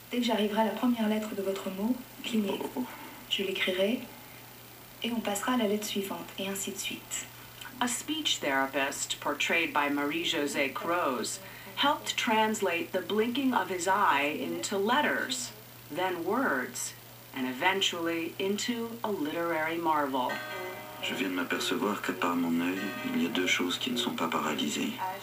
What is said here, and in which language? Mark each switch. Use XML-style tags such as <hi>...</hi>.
<fr>Dès que j'arriverai à la première lettre de votre mot, clignez, je l'écrirai. Et on passera à la lettre suivante, et ainsi de suite.</fr> <en>A speech therapist, portrayed by Marie-Josée Croze, helped translate the blinking of his eye into letters, then words, and eventually into a literary marvel.</en> <fr>Je viens de m'apercevoir qu'à part mon œil, il y a deux choses qui ne sont pas paralysées.</fr>